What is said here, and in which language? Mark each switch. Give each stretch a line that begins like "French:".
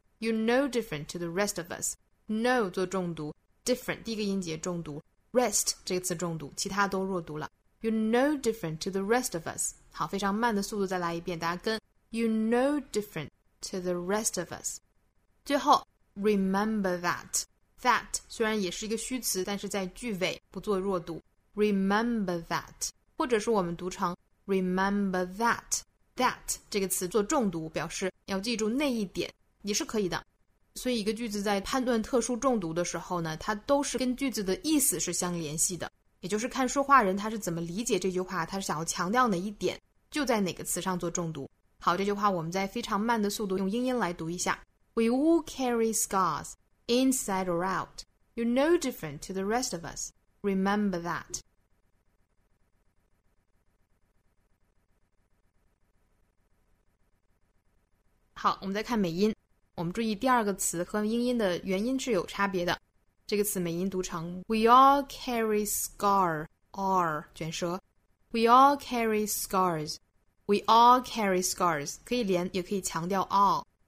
English: You're no different to the rest of us.
Chinese: No 做重读， different 第一个音节重读，Rest 这个词重读，其他都弱读了。
English: You're no different to the rest of us.
Chinese: 好，非常慢的速度再来一遍，大家跟。
English: You're no different to the rest of us.
Chinese: 最后
English: ，remember that.
Chinese: That 虽然也是一个虚词，但是在句尾不做弱读。
English: Remember that，
Chinese: 或者是我们读成
English: remember that。
Chinese: That 这个词做重读，表示要记住那一点，也是可以的。所以一个句子在判断特殊重读的时候呢，它都是跟句子的意思是相联系的，也就是看说话人他是怎么理解这句话，他是想要强调哪一点，就在哪个词上做重读。好，这句话我们在非常慢的速度用英音来读一下。
English: We all carry scars, inside or out. You're no different to the rest of us. Remember that.
Chinese: 好，我们再看美音，我们注意第二个词和英音的元音是有差别的，这个词美音读成 We all carry scar R 卷舌，
English: We all carry scars,
Chinese: We all carry scars， 可以连也可以强调 all。